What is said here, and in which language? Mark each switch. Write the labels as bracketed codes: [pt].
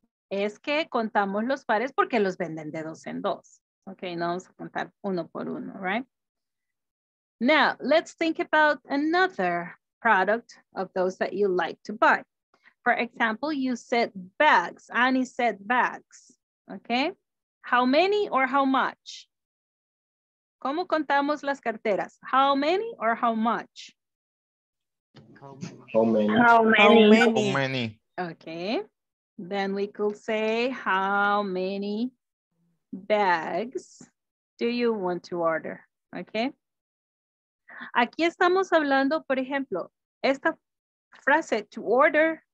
[es] Es que contamos los pares porque los venden de dos en dos, ¿ok? No vamos a contar uno por uno, right? [en] Now, let's think about another product of those that you like to buy. For example, you said bags. Annie said bags. Okay. How many or how much? [es] ¿Cómo contamos las carteras? [en] How many or how much? How many? Okay. Then we could say, how many bags do you want to order? Okay. [es] Aquí estamos hablando, por ejemplo, esta frase to order.